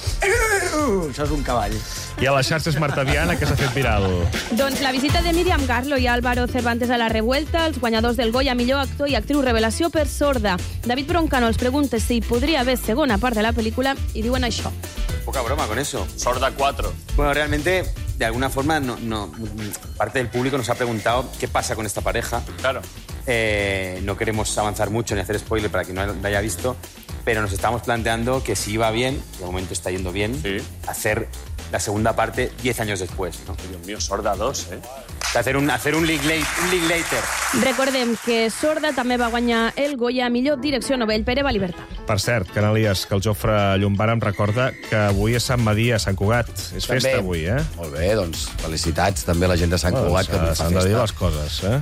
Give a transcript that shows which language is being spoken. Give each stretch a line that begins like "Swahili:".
Catalan: Això és un cavall. I a les xarxes, Marta Viana, que s'ha fet viral. Doncs la visita de Míriam Garlo i Álvaro Cervantes a la Revuelta, els guanyadors del Goya millor actor i actriu revelació per sorda. David Broncano els pregunta si hi podria haver segona part de la pel·lícula i diuen això.
Spanish: Poca broma con eso. Sorda 4. Bueno, realmente... De alguna forma, no, parte del público nos ha preguntado qué pasa con esta pareja. Claro. No queremos avanzar mucho ni hacer spoiler para quien no la haya visto, pero nos estamos planteando que si va bien, de momento está yendo bien, sí, hacer la segunda parte 10 años después, ¿no? Dios mío, Sorda 2, ¿eh? De hacer un league later.
Catalan: Recordem que Sorda també va guanyar el Goya millor direcció novell per Eva Libertad. Per cert, Canàlies, que el Jofre Llombara em recorda que avui és Sant Medir a Sant Cugat. És també festa avui, eh? Molt bé, doncs felicitats també a la gent de Sant Cugat. Que s'han de dir les coses, eh?